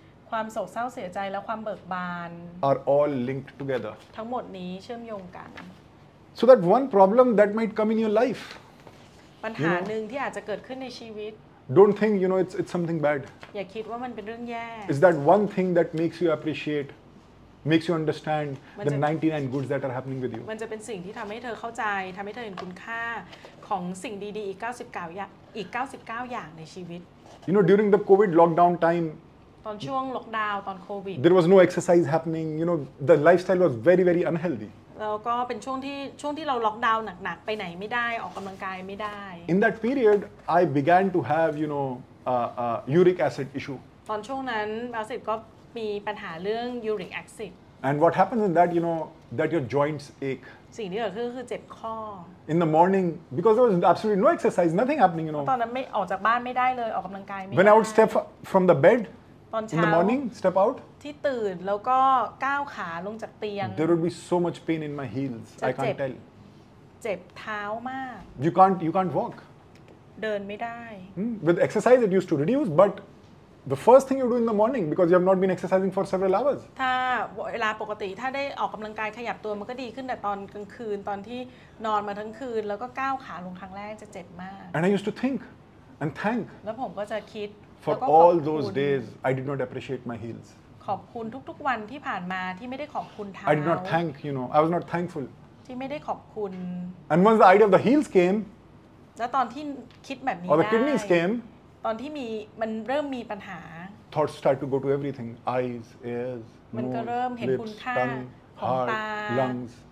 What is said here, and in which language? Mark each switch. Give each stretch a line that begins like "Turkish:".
Thai: ความโศกเศร้าเสียใจและความเบิกบาน
English: Are all linked together
Thai: ทั้งหมดนี้เชื่อมโยงกัน
English: So that one problem that might come in your life
Thai: ปัญหาหนึ่งที่อาจจะเกิดขึ้นในชีวิต
English: Don't think you know it's something bad
Thai: อย่าคิดว่ามันเป็นเรื่องแย่
English: Is that one thing that makes you appreciate makes you understand the 99 goods that are happening with you
Thai: มันจะเป็นสิ่งที่ทำให้เธอเข้าใจทำให้เธอเห็นคุณค่าของสิ่งดีๆอีก99อย่างในชีวิต
English: You know during the COVID lockdown time
Thai: ตอนช่วงล็อกดาวน์ตอนโควิด
English: there was no exercise happening you know the lifestyle was very very unhealthy
Thai: แล้วก็เป็นช่วงที่เราล็อกดาวน์หนักๆไปไหนไม่ได้ออกกำลังกายไม่ได้
English: in that period I began to have you know uric acid issue
Thai: ตอนช่วงนั้นบาสิตก็มีปัญหาเรื่อง uric acid
English: and what happens in that you know that your joints ache
Thai: สิ่งที่เกิดขึ้นคือเจ็บข้อ
English: in the morning because there was absolutely no exercise nothing happening you know
Thai: ตอนนั้นไม่ออกจากบ้านไม่ได้เลยออกกำลังกายไม่ได้
English: when I would step from the bedIn the morning, step out.
Thai: ที่ตื่นแล้วก็ก้าวขาลงจากเตียง
English: There would be so much pain in my heels. I can't tell.
Thai: เจ็บเท้ามาก
English: You can't walk.
Thai: เดินไม่ได้
English: With exercise, it used to reduce. But the first thing you do in the morning, because you have not been exercising for several hours.
Thai: ถ้าเวลาปกติถ้าได้ออกกำลังกายขยับตัวมันก็ดีขึ้นแต่ตอนกลางคืนตอนที่นอนมาทั้งคืนแล้วก็ก้าวขาลงครั้งแรกจะเจ็บมาก
English: And I used to think and thank.
Thai: แล้วผมก็จะคิด
English: For all those days, I did not appreciate my heels.
Thai: ขอบคุณทุกๆวันที่ผ่านมาที่ไม่ได้ขอบคุณเท้า
English: I did not thank, you know, I was not thankful.
Thai: ที่ไม่ได้ขอบคุณ
English: And once the idea of the heels came,
Thai: แล้วตอนที่คิดแบบนี้
English: Or the kidneys came,
Thai: ตอนที่มันเริ่มมีปัญหา
English: Thoughts start to go to everything, eyes, ears, nose, lips, tongue, heart, lungs,